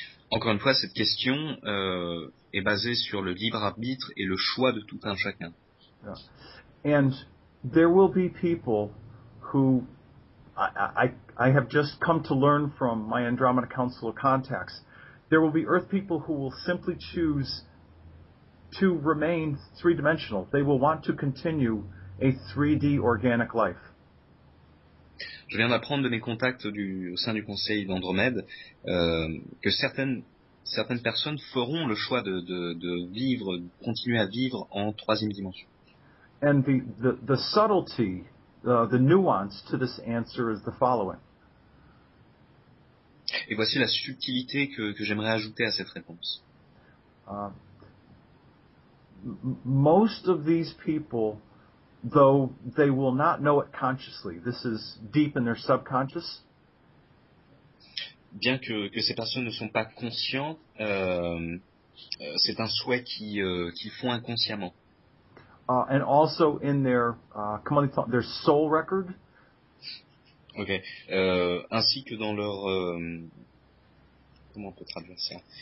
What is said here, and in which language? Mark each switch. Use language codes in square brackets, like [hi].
[fr] Encore une fois, cette question est basée sur le libre arbitre et le choix de tout un chacun. [en] Yeah. And there will be people who I have just come to learn from my Andromeda Council of contacts. There will be Earth people who will simply choose to remain three-dimensional. They will want to continue a 3D organic life. [fr] Je viens d'apprendre de mes contacts au sein du conseil d'Andromède que certaines personnes feront le choix de continuer à vivre en troisième dimension. [en] And the subtlety, the nuance to this answer is the following. [fr] Et voici la subtilité que j'aimerais ajouter à cette réponse. [en] Most of these people, though they will not know it consciously, this is deep in their subconscious. [fr] Bien que ces personnes ne sont pas conscientes, c'est un souhait qu'ils font inconsciemment. [en] And also in their comment they call it, their soul record. Okay. [fr] Ainsi que dans leur comment on peut traduire ça?